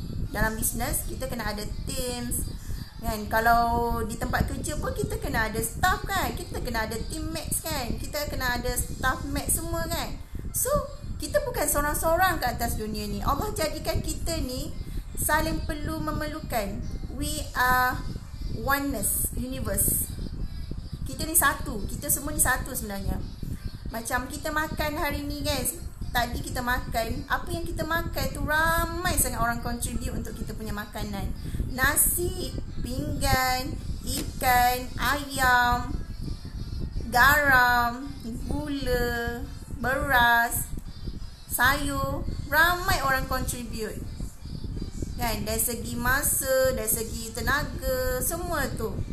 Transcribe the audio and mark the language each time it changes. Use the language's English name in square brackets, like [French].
[Malay] Dalam bisnes, kita kena ada teams kan. Kalau di tempat kerja pun kita kena ada staff kan. Kita kena ada team mates kan. Kita kena ada staff mates semua kan. So kita bukan seorang-seorang kat atas dunia ni. Allah jadikan kita ni saling perlu memerlukan. [English] We are oneness, universe. [Malay] Kita ni satu, kita semua ni satu sebenarnya. Macam kita makan hari ni guys, tadi kita makan, apa yang kita makan tu ramai sangat orang contribute untuk kita punya makanan. Nasi, pinggan, ikan, ayam, garam, gula, beras, sayur, ramai orang contribute kan, dari segi masa, dari segi tenaga, semua tu.